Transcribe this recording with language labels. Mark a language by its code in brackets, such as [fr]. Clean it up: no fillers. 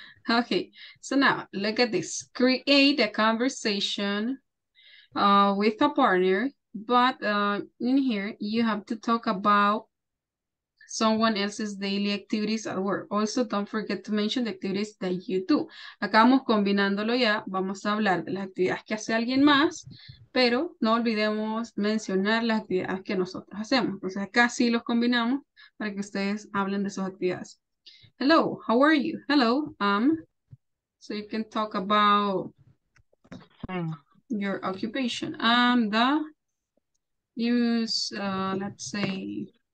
[en] Okay, so now look at this. Create a conversation with a partner, but in here you have to talk about someone else's daily activities at work. Also, don't forget to mention the activities that you do. [es] Acabamos combinándolo ya, vamos a hablar de las actividades que hace alguien más, pero no olvidemos mencionar las actividades que nosotros hacemos. Entonces acá sí los combinamos para que ustedes hablen de sus actividades. [en] Hello, how are you? Hello, so you can talk about your occupation. The use, let's say,